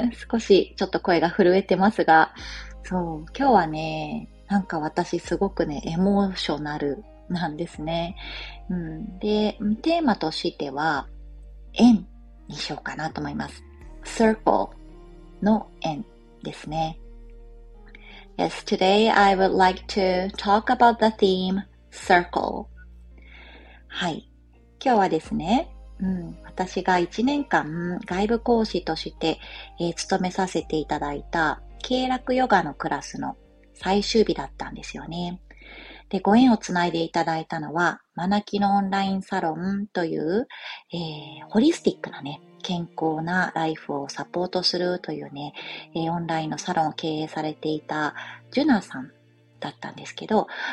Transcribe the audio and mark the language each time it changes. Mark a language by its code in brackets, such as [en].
[ja] 少しちょっと声が震えてますが、そう、今日はね、なんか私すごくね、エモーショナルなんですね。うん、で、テーマとしては、円にしようかなと思います。 Circle の円ですね。 [en] Yes, today I would like to talk about the theme Circle. [ja] はい。今日はですね、私が1年間外部講師として、勤めさせていただいた経絡ヨガのクラスの最終日だったんですよね。で、ご縁をつないでいただいたのは、マナキのオンラインサロンという、ホリスティックなね、健康なライフをサポートするというね、オンラインのサロンを経営されていたジュナさんだったんですけど、